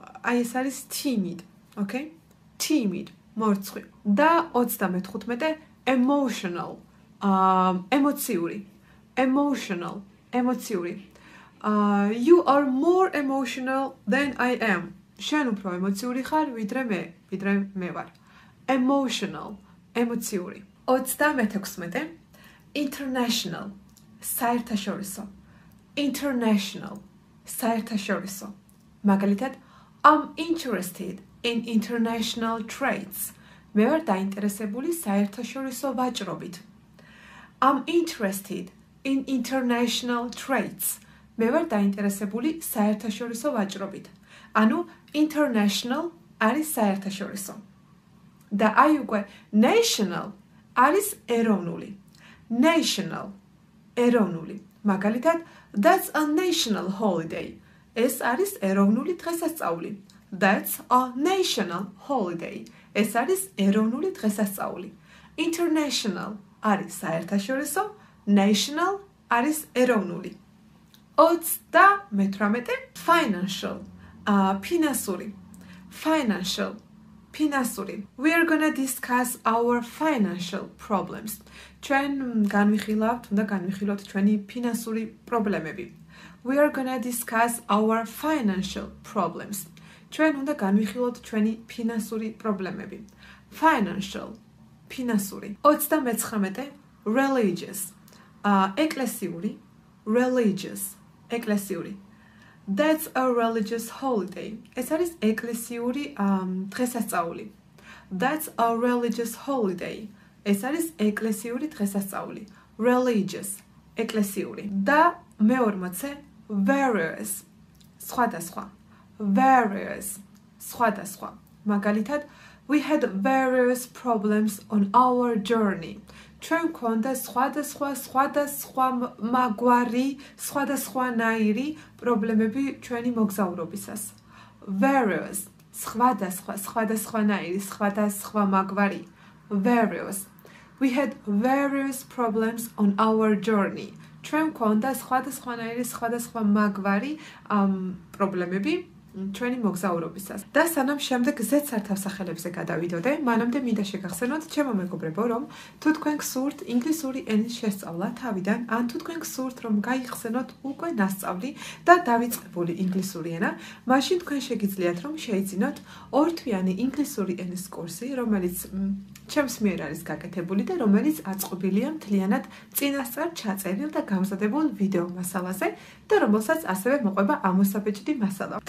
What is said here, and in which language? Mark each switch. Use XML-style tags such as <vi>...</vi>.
<ka>აი ეს არის timid.</ka> <en>Okay?</en> <ka>timid, მორცხვი. და 35. emotional. ემოციური. emotional, ემოციური.</ka> <en>You are more emotional than I am.</en> <ka>შენ უფრო ემოციური ხარ ვიდრე მე ვარ. emotional, ემოციური. 36. international, საერთაშორისო. international, საერთაშორისო. მაგალითად,</ka> <en>I'm interested in international trades.</en> <ka>მე ვარ დაინტერესებული საერთაშორისო ვაჭრობით.</ka> <en>I'm interested in international trades.</en> <ka>მე ვარ დაინტერესებული საერთაშორისო ვაჭრობით. ანუ international არის საერთაშორისო. და აი უკვე national არის ეროვნული. national, ეროვნული. მაგალითად,</ka> <en>that's a national holiday.</en> <ka>ეს არის ეროვნული დღესასწაული.</ka> <en>that's a national holiday.</en> <ka>ეს არის ეროვნული დღესასწაული. international არის საერთაშორისო, national არის ეროვნული. 38. financial, ფინანსური. financial, ფინანსური.</ka> <en>We are going to discuss our financial problems.</en> <ka>ჩვენ განვიხილავთ, უნდა განვიხილოთ ჩვენი ფინანსური პრობლემები.</ka> <en>We are going to discuss our financial problems.</en> <ka>ჩვენ უნდა განვიხილოთ ჩვენი ფინანსური პრობლემები. financial, ფინანსური. 39. religious. ეკლესიური. religious, ეკლესიური.</ka> <en>That's a religious holiday.</en> <ka>ეს არის ეკლესიური დღესასწაული.</ka> <en>That's a religious holiday.</en> <ka>ეს არის ეკლესიური დღესასწაული. religious, ეკლესიური. და მე-40. various, სხვადასხვა. various, სხვადასხვა. მაგალითად,</ka> <en>we had various problems on our journey.</en> <ka>ჩვენ გვქონდა სხვადასხვა მაგვარი, სხვადასხვანაირი პრობლემები ჩვენი მოგზაურობისას. Various, სხვადასხვა, სხვადასხვანაირი, სხვადასხვა მაგვარი.</ka> <en>Various. We had various problems on our journey.</en> <ka>ჩვენ გვქონდა სხვადასხვანაირი, სხვადასხვა მაგვარი პრობლემები ჩვენი მოგზაურობისას. და სანამ შემდეგ ზედსართავ სახელებზე გადავიდოდე, მანამდე მინდა შეგახსენოთ, ჩემო მეგობრებო, რომ თუ თქვენ გსურთ ინგლისური ენის შესწავლა თავიდან, ან თუ თქვენ გსურთ, რომ გაიხსენოთ უკვე ნასწავლი და დავიწყებული ინგლისური ენა, მაშინ თქვენ შეგიძლიათ, რომ შეიძინოთ ორთვიანი ინგლისური ენის კურსი, რომელიც ჩემს მიერ არის გაკეთებული და რომელიც აწყობილია მთლიანად წინასწარ ჩაწერილ და გამზადებულ ვიდეო მასალაზე და რომელსაც ასევე მოყვება ამოსაბეჭდი მასალა.</ka>